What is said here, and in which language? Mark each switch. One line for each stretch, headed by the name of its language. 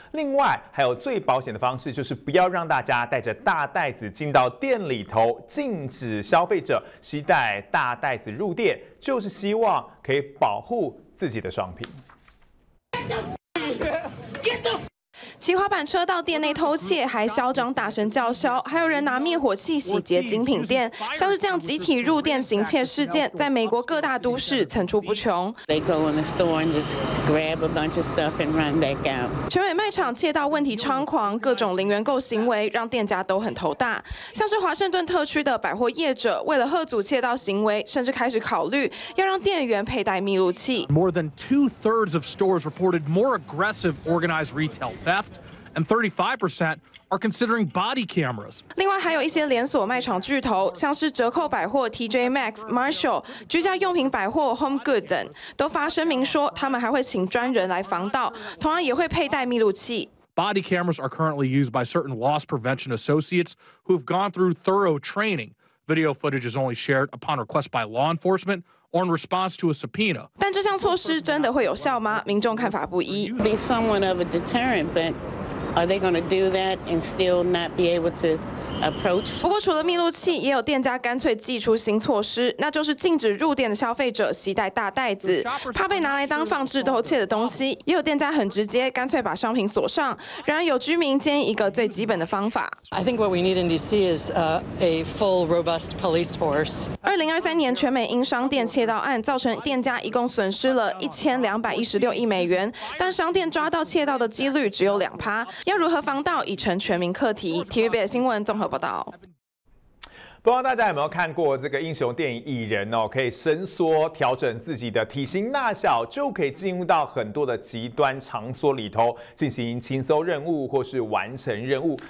Chinese: 另外还有最保险的方式，就是不要让大家带着大袋子进到店里头，禁止消费者携带大袋子入店，就是希望可以保护自己的商品。骑滑板车到店内偷窃，还嚣张大声叫嚣，还有人拿灭火器洗劫精品店。像是这样集体入店行窃事件，在美国各大都市层出不穷。
English: They go in the store and just grab a bunch of stuff and run back out.
Chinese: 全美卖场窃盗问题猖狂，各种零元购行为让店家都很头大。像是华盛顿特区的百货业者，为了吓阻窃盗行为，甚至开始考虑要让店员佩戴密录器。
English: More than 2/3 of stores reported more aggressive organized retail theft. And 35% are considering body cameras.
Chinese: 另外还有一些连锁卖场巨头，像是折扣百货 TJ Maxx、Marshall、居家用品百货 Home Good 等，都发声明说他们还会请专人来防盗，同样也会佩戴密录器。
English: Body cameras are currently used by certain loss prevention associates who have gone through thorough training. Video footage is only shared upon request by law enforcement. Or in response to a subpoena.
Chinese: 但这项措施真的会有效吗？民众看法不一。
English: Be somewhat of a deterrent, but are they going to do that and still not be able to approach?
Chinese: 不过除了密录器，也有店家干脆祭出新措施，那就是禁止入店的消费者携带大袋子，怕被拿来当放置偷窃的东西。也有店家很直接，干脆把商品锁上。然而有居民建议一个最基本的方法。
English: I think what we need in DC is a full, robust police force.
Chinese: 2023年全美因商店窃盗案造成店家一共损失了1216亿美元，但商店抓到窃盗的几率只有2%。要如何防盗已成全民课题。TVB 新闻综合报道。不知道大家有没有看过这个英雄电影蚁人哦，可以伸缩调整自己的体型大小，就可以进入到很多的极端场所里头进行轻松任务或是完成任务。